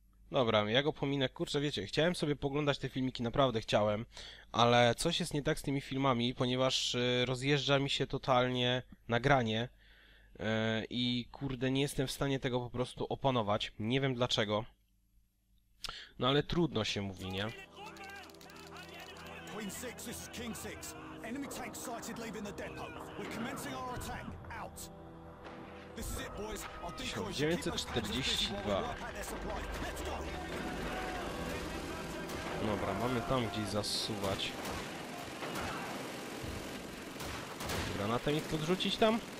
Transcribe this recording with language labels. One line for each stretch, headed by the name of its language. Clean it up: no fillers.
Polish: Dobra, ja go pominę. Kurczę, wiecie, chciałem sobie poglądać te filmiki, naprawdę chciałem. Ale coś jest nie tak z tymi filmami, ponieważ rozjeżdża mi się totalnie nagranie. I kurde, nie jestem w stanie tego po prostu opanować. Nie wiem dlaczego. No ale trudno się mówi, nie?
English: Queen Six, this is King Six. Enemy tank sighted leaving the depot. We're commencing our attack. Out. This is it, boys. Our decoys keep those tanks busy while we work out their supply.
Polish: Dobra, mamy tam gdzieś zasuwać. Granatę mi podrzucić tam?